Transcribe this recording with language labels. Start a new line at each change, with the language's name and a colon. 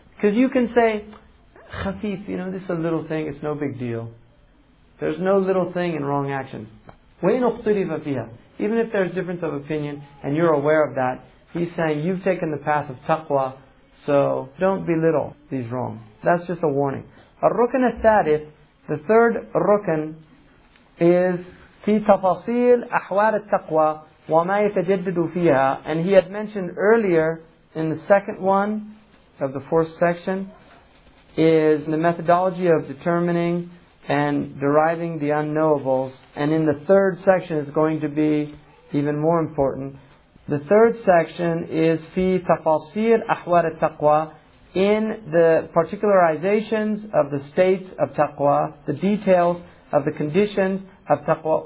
English: Because you can say, خَفِيف, you know, this is a little thing, it's no big deal. There's no little thing in wrong actions.
Arabic: وَنُخْتُلِفَ فِيهَا.
English: Even if there's difference of opinion, and you're aware of that, he's saying, you've taken the path of taqwa, so don't belittle these wrongs. That's just a warning.
Arabic: الرُّكْن الثَّالِث,
English: the third rukn, is
Arabic: في تفاصيل أحوال التقوى وما يتجدد فيها.
English: And he had mentioned earlier in the second one of the fourth section is the methodology of determining and deriving the unknowables. And in the third section is going to be even more important. The third section is
Arabic: في تفاصيل أحوال التقوى,
English: in the particularizations of the states of taqwa, the details of the conditions of taqwa.